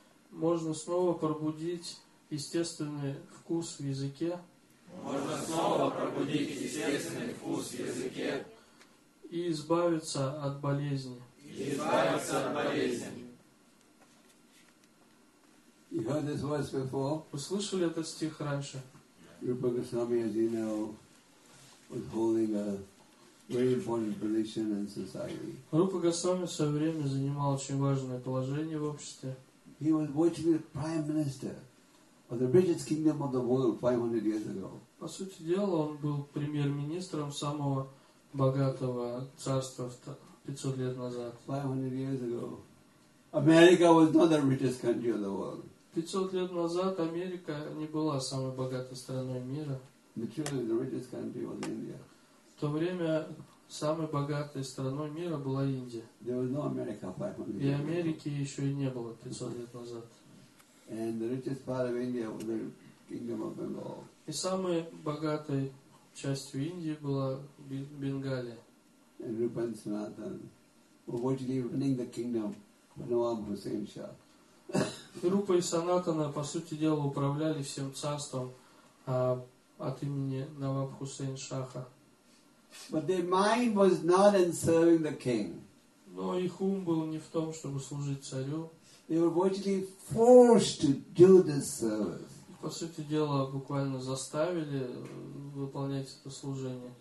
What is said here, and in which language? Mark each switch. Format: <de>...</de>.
<ru>Можно снова пробудить естественный вкус в языке. Можно снова пробудить естественный вкус в языке. И избавиться от болезни. И избавиться от болезни.</ru> <en>You heard this verse before?</en> <ru>Услышали этот стих раньше?</ru> <en>Rupa Goswami, as you know, was holding a very important position in society.</en> <ru>Rupa Goswami в свое время занимал очень важное положение в обществе.</ru> <en>He was virtually the prime minister of the richest kingdom of the world 500 years ago.</en> <ru>По сути дела, он был премьер-министром самого богатого царства 500 лет назад.</ru> <en>500 years ago, America was not the richest country of the world.</en> <ru>500 лет назад Америка не была самой богатой страной мира.</ru> <en>The richest country was India.</en> <ru>В то время самой богатой страной мира была Индия.</ru> <en>There was no America 500 years</en> <ru>ago. И Америки еще и не было 500 лет назад.</ru> <en>And the richest part of India was the kingdom of Bengal.</en> <ru>И самой богатой частью Индии была Бенгалия.</ru> <en>And Rupa and Sanatan were virtually running the kingdom for Nawab Hussain Shah.</en> <ru>Rupa и Санатана, по сути дела, управляли всем царством от имени Наваб Хусейн Шаха.</ru> <en>But their mind was not in serving the king.</en> <ru>Но их ум был не в том, чтобы служить царю.</ru> <en>They were virtually forced to do this service.</en> <ru>По сути дела, буквально заставили выполнять это служение.</ru>